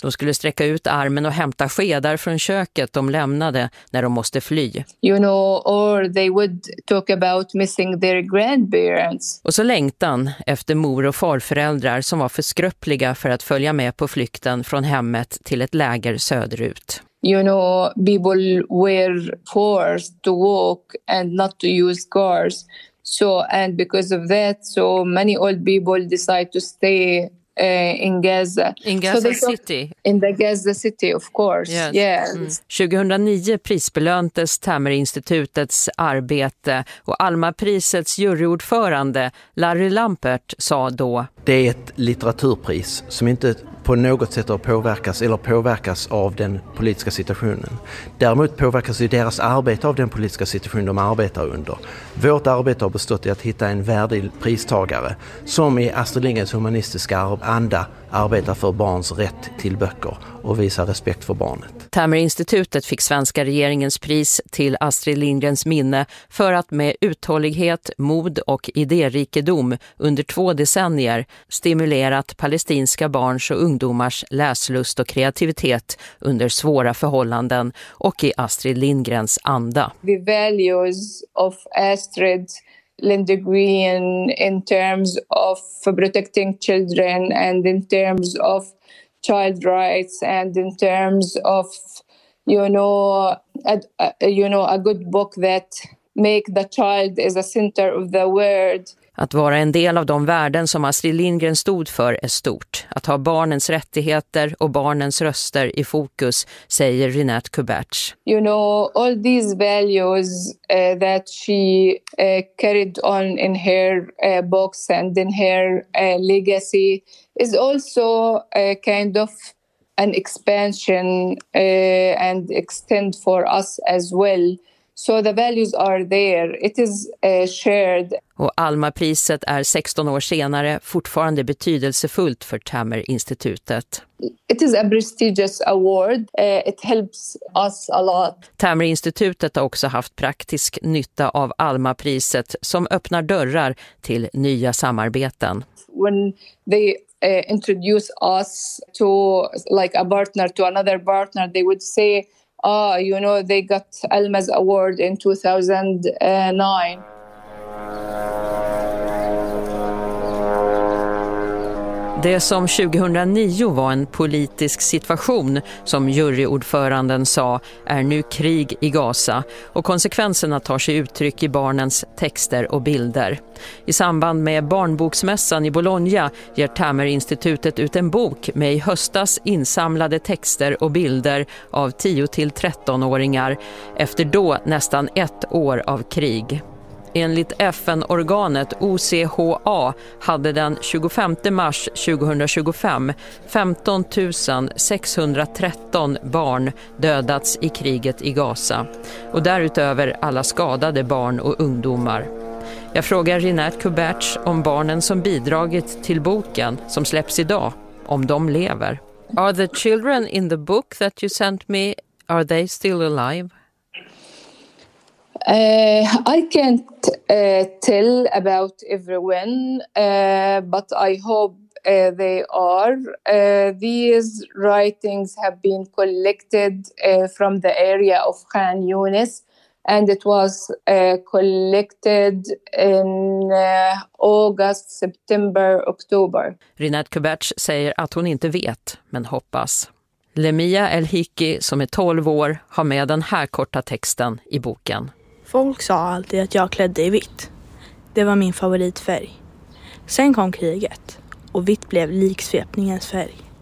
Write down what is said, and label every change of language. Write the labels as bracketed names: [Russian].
[Swedish] De skulle sträcka ut armen och hämta skedar från köket de lämnade när de måste fly. [English] You know, or they would talk about missing their grandparents. [Swedish] Och så längtan efter mor- och farföräldrar som var för skröpliga för att följa med på flykten från hemmet till ett läger söderut. [English] You know, people were forced to walk and not to use cars. So, and because of that, so many old people decide to stay in Gaza. In Gaza so they city? In the Gaza city, of course. Yes. Yes. Mm. [Swedish] 2009 prisbelöntes Tamer-institutets arbete och Alma-prisets juryordförande Larry Lampert sa då: det är ett litteraturpris som inte på något sätt har påverkats eller påverkas av den politiska situationen. Däremot påverkas ju deras arbete av den politiska situation de arbetar under. Vårt arbete har bestått i att hitta en värdig pristagare som i Astrid Lindgrens humanistiska anda arbetar för barns rätt till böcker och visar respekt för barnet. Tamer-institutet fick svenska regeringens pris till Astrid Lindgrens minne för att med uthållighet, mod och idérikedom under 2 decennier stimulerat palestinska barns och ungdomars läslust och kreativitet under svåra förhållanden och i Astrid Lindgrens anda. [English] The values of Astrid Lindgren in terms of protecting children and in terms of child rights and in terms of, you know, a good book that make the child is a center of the world. [Swedish] Att vara en del av de värden som Astrid Lindgren stod för är stort. Att ha barnens rättigheter och barnens röster i fokus, säger Rinat Kubertz. [English] You know, all these values that she carried on in her books and in her legacy is also a kind of an expansion and extend for us as well. So the values are there. It is shared. [Swedish] Och Alma-priset är 16 år senare fortfarande betydelsefullt för Tamer-institutet. [English] It is a prestigious award. It helps us a lot. [Swedish] Tamer-institutet har också haft praktisk nytta av Alma-priset som öppnar dörrar till nya samarbeten. [English] When they introduce us to like a partner to another partner, they would say you know, they got Elmas Award in 2009. [Swedish] Det som 2009 var en politisk situation, som juryordföranden sa, är nu krig i Gaza och konsekvenserna tar sig uttryck i barnens texter och bilder. I samband med barnboksmässan i Bologna ger Tamerinstitutet ut en bok med i höstas insamlade texter och bilder av 10-13-åringar efter då nästan ett år av krig. Enligt FN-organet OCHA hade den 25 mars 2025 15 613 barn dödats i kriget i Gaza. Och därutöver alla skadade barn och ungdomar. Jag frågar Renate Kuberts om barnen som bidragit till boken som släpps idag, om de lever. [English] Are the children in the book that you sent me, are they still alive? I can't tell about everyone, but I hope they are. These writings have been collected from the area of Khan Yunis, and it was collected in August, September, October. [Swedish] Renate Kuberts säger att hon inte vet, men hoppas. Lemia El-Hiki, som är 12 år, har med den här korta texten i boken. Folk sa alltid att jag klädde i vitt. Det var min favoritfärg. Sen kom kriget och vitt blev liksvepningens färg.